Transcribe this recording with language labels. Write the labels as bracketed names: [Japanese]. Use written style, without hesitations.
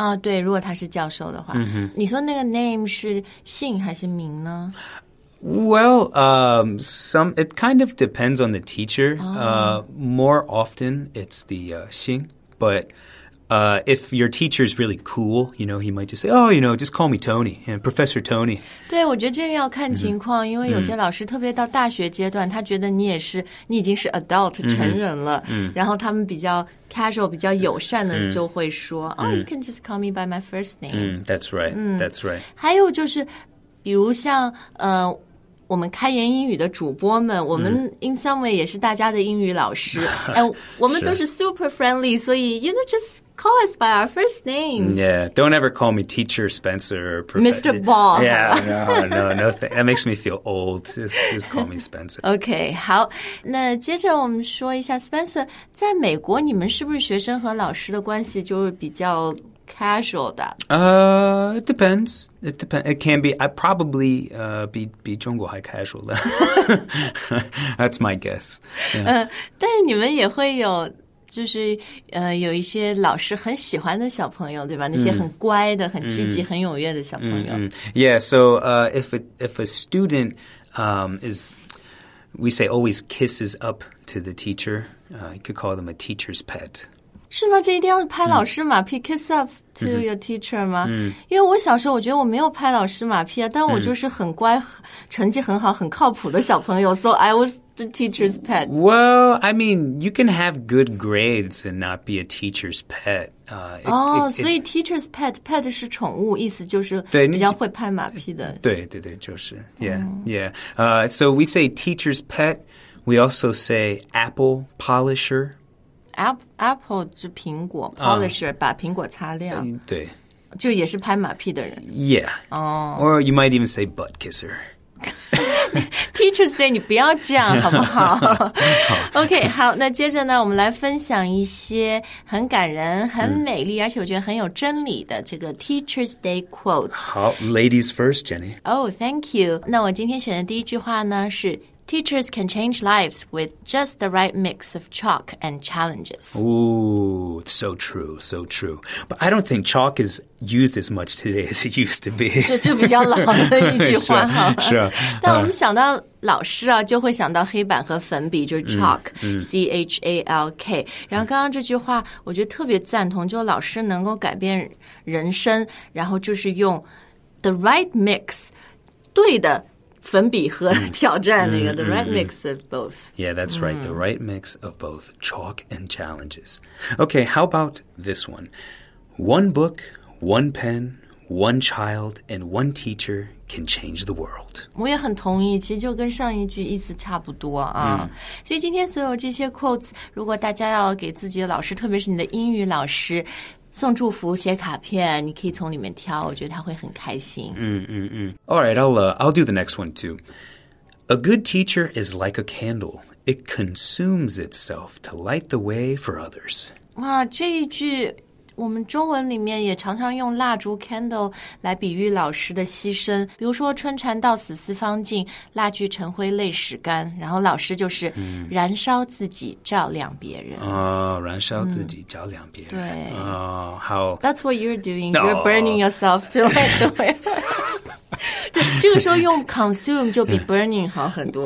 [Chinese] 对，如果他是教授的话。你说那个 name 是姓还是名呢？ [English] Well, it kind of depends on the teacher. More often, it's the 姓, but... if your teacher is really cool, you know, he might just say, oh, you know, just call me Tony, yeah, Professor Tony. [Chinese] 对，我觉得这个要看情况，因为有些老师特别到大学阶段，他觉得你已经是 adult, 成人了，然后他们比较 casual, 比较友善的就会说, [English] oh, you can just call me by my first name. That's right. [Chinese] 还有就是比如像我们开言英语的主播们，我们 [English] in some way [Chinese] 也是大家的英语老师，我们都是 [English] super friendly, [Chinese] 所以 [English] you know, just call us by our first names. Yeah, don't ever call me Teacher Spencer or Mr. Ball. Yeah, no. That makes me feel old. Just call me Spencer. [Chinese] Okay, 好，那接着我们说一下 Spencer， 在美国你们是不是学生和老师的关系就是比较 casual 的？ [English] It depends. It can be. I probably be [Chinese] 中国还 [English] casual 的。 That's my guess. [Chinese] 但是你们也会有。就是有一些老师很喜欢的小朋友，对吧？那些很乖的、很积极、很踊跃的小朋友。 [English] Yeah, so if a student is, we say always kisses up to the teacher, you could call them a teacher's pet. [Chinese] 是吗？这一定要拍老师马屁、 [English] kiss up to your teacher [Chinese] 吗？因为我小时候我觉得我没有拍老师马屁啊，但我就是很乖、成绩很好、很靠谱的小朋友。 [English] So I was. The teacher's pet. Well, I mean, you can have good grades and not be a teacher's pet. [Chinese] So teacher's pet 是宠物，意思就是比较会拍马屁的。对，就是 [English] yeah. So we say teacher's pet. We also say apple polisher. [Chinese] Apple 是苹果 polisher 把苹果擦亮。对，就也是拍马屁的人。 [English] Yeah. Or you might even say butt kisser. [Chinese] Teacher's Day, 你不要这样好不好？OK, 好，那接着呢，我们来分享一些很感人、很美丽，而且我觉得很有真理的这个 Teacher's Day quotes。 [English] 好 ，Ladies first, Jenny. Oh, thank you. [Chinese] 那我今天选的第一句话呢是 [English] Teachers can change lives with just the right mix of chalk and challenges. Ooh, so true. But I don't think chalk is... used as much today as it used to be. [Chinese] 就比较老的一句话哈。是啊。但我们想到老师啊，就会想到黑板和粉笔，就是 chalk, C-H-A-L-K. 然后刚刚这句话，我觉得特别赞同，就老师能够改变人生，然后就是用 [English] the right mix, [Chinese] 对的粉笔和挑战那个 [English] the right mix of both. Yeah, that's right, the right mix of both chalk and challenges. Okay, how about this one? One book... One pen, one child, and one teacher can change the world. [Chinese] 我也很同意，其实就跟上一句意思差不多啊。所以今天所有这些 quotes， 如果大家要给自己的老师，特别是你的英语老师，送祝福、写卡片，你可以从里面挑，我觉得他会很开心。 [English] All right, I'll do the next one too. A good teacher is like a candle; it consumes itself to light the way for others. [Chinese] 哇，这一句。我们中文里面也常常用蜡烛 candle 来比喻老师的牺牲，比如说春蚕到死丝方尽，蜡炬成灰泪始干，然后老师就是燃烧自己照亮别人。燃烧自己照亮别人。对。好。 [English] That's what you're doing. You're burning yourself to light the way. [Chinese] 这个时候用 consume 就比 burning 好很多。